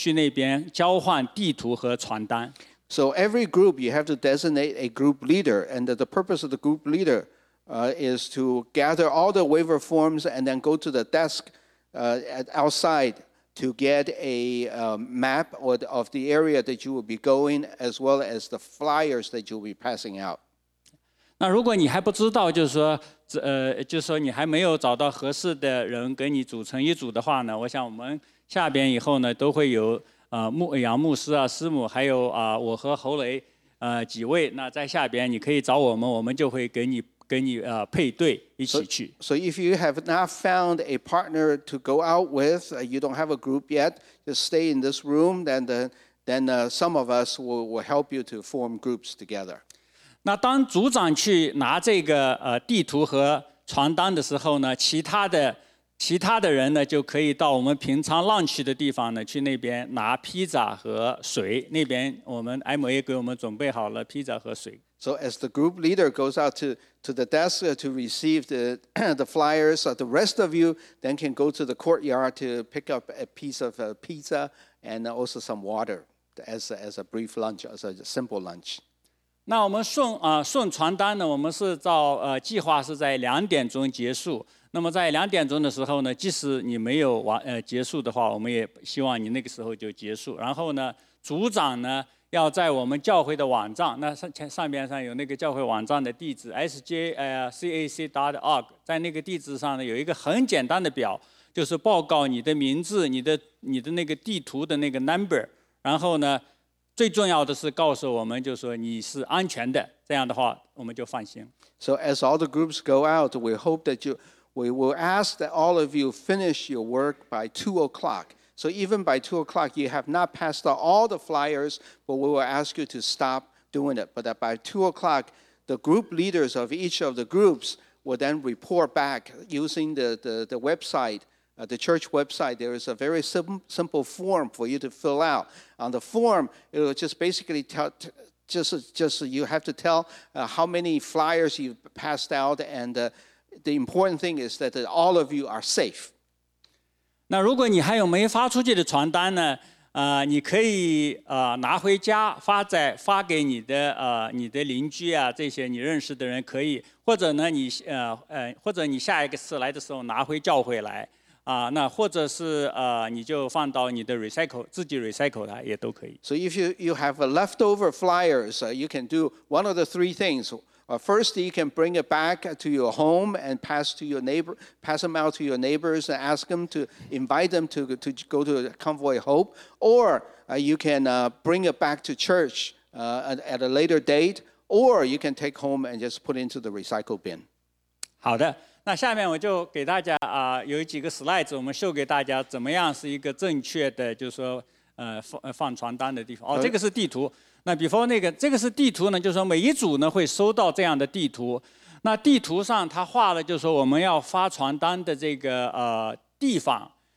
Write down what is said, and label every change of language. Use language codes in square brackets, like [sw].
[zh] 那每一个组呢，我们要有一个组长，组长呢就是把这些表放在一起，然后拿着这个你们组里头的表去那个门口那个桌子上边呢，去那边交换地图和传单。 [en] So every group, you have to designate a group leader, and the purpose of the group leader is to gather all the waiver forms and then go to the desk outside to get a map of the area that you will be going, as well as the flyers that you will be passing out. [zh] 那如果你还不知道，就是说，就是说你还没有找到合适的人跟你组成一组的话呢，我想我们下边以后呢，都会有牧羊牧师啊、师母，还有我和侯雷几位，那在下边你可以找我们，我们就会跟你配对一起去。 [en] So if you have not found a partner to go out with, you don't have a group yet, just stay in this room, then some of us will help you to form groups together. [zh] 那当组长去拿这个地图和传单的时候呢，其他的其他的人呢就可以到我们平常 lunch 的地方呢去那边拿披萨和水，那边我们 MA 给我们准备好了披萨和水。 [en] So as the group leader goes out to the desk to receive the flyers, the rest of you then can go to the courtyard to pick up a piece of pizza and also some water as a brief lunch, as a simple lunch. [zh] 那我们送传单呢，我们是照计划是在两点钟结束。那么在两点钟的时候呢，即使你没有结束的话，我们也希望你那个时候就结束。然后呢，组长呢要在我们教会的网站，那上边上有那个教会网站的地址 sjcac.org， 在那个地址上呢有一个很简单的表，就是报告你的名字，你的那个地图的那个 number， 然后呢最重要的是告诉我们，就是说你是安全的，这样的话我们就放心。 [en] So as all the groups go out, we hope that youWe will ask that all of you finish your work by 2 o'clock. So even by 2 o'clock, you have not passed out all the flyers, but we will ask you to stop doing it. But that by 2 o'clock, the group leaders of each of the groups will then report back using the website, the church website. There is a very simple form for you to fill out. On the form, it will just basically tell just you have to tell how many flyers you've passed out andThe important thing is that all of you are safe. [zh] 那如果你还有没发出去的传单呢？你可以拿回家发给你的邻居啊，这些你认识的人可以，或者呢你下一个次来的时候拿回教会来啊，那或者是你就放到你的 recycle 自己 recycle 它也都可以。 [en] So if you have a leftover flyers, you can do one of the three things. First, you can bring it back to your home and pass them out to your neighbors and ask them to invite them to go to Convoy Hope. Or you can bring it back to church at a later date. Or you can take home and just put into the recycle bin. [zh] 好的，那下面我就给大家有几个 slides 我们秀给大家怎么样是一个正确的就是说放传单的地方。哦，这个是地图。那 [en] before [zh] 那个，这个是地图呢，就是说每一组呢会收到这样的地图。那地图上它画了，就是说我们要发传单的这个地方。